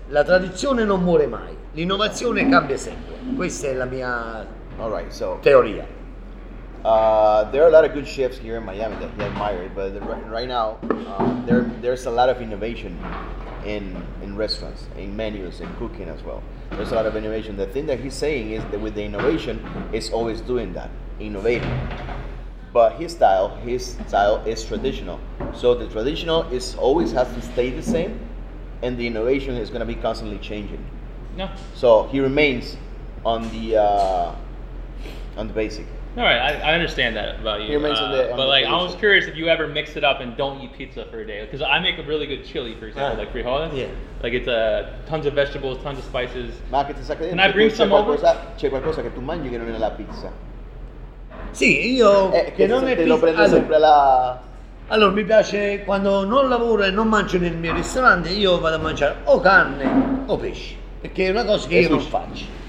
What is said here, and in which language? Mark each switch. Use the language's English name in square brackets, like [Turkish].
[Italian] La tradizione non muore mai, l'innovazione cambia sempre. Questa è la mia teoria. [English] There are a lot of good chefs here in Miami that he admired, but right now there's a lot of innovation in restaurants, in menus, in cooking as well. There's a lot of innovation. The thing that he's saying is that with the innovation, it's always doing that, innovating. But his style is traditional. So the traditional is always has to stay the same, and the innovation is going to be constantly changing. No. So he remains on the basic. All right, I understand that about you. I was curious if you ever mix it up and don't eat pizza for a day. Because I make a really good chili, for example, like frijoles. Yeah. Like it's tons of vegetables, tons of spices. Can I bring some over? [Italian] C'è qualcosa che tu mangi che non è nella pizza. Sì, io... Che non è pizza. Prendo sempre la... Allora, mi piace quando non lavoro e non mangio nel mio ristorante, io vado a mangiare o carne o pesce. Perché è una cosa che io non faccio.